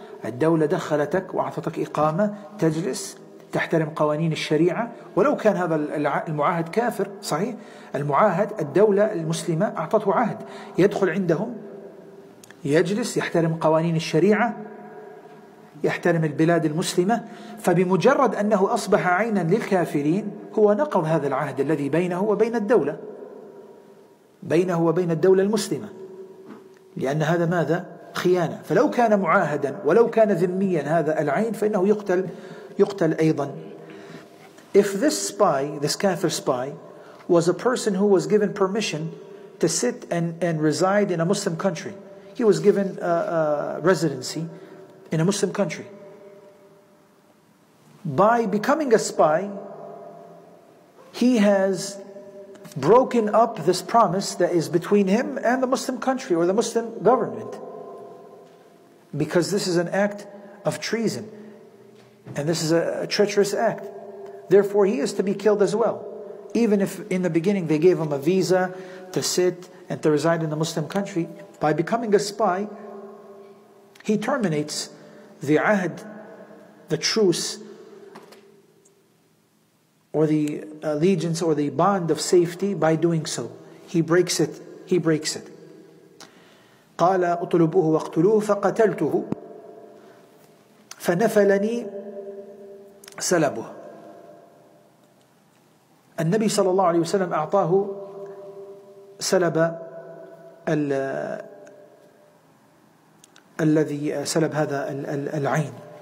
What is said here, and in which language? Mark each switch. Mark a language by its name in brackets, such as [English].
[Arabic] الدولة دخلتك وأعطتك إقامة تجلس تحترم قوانين الشريعة، ولو كان هذا المعاهد كافر، صحيح؟ المعاهد الدولة المسلمة أعطته عهد يدخل عندهم يجلس يحترم قوانين الشريعة، يحترم البلاد المسلمة، فبمجرد أنه أصبح عينا للكافرين هو نقض هذا العهد الذي بينه وبين الدولة، بينه وبين الدولة المسلمة، لأن هذا ماذا؟ خيانة. فلو كان معاهدا ولو كان ذميا هذا العين فإنه يقتل، يقتل أيضا. [English] If this spy, this kafir spy, was a person who was given permission to sit and reside in a Muslim country, he was given a residency in a Muslim country. By becoming a spy, he has broken up this promise that is between him and the Muslim country or the Muslim government. Because this is an act of treason, and this is a treacherous act. Therefore, he is to be killed as well. Even if in the beginning they gave him a visa to sit and to reside in the Muslim country, by becoming a spy, he terminates the ahd, the truce, or the allegiance, or the bond of safety by doing so. He breaks it. He breaks it. [Arabic] قال اطلبوه واقتلوه فقتلته فنفلني سلبه. النبي صلى الله عليه وسلم أعطاه سلب الذي سلب هذا العين.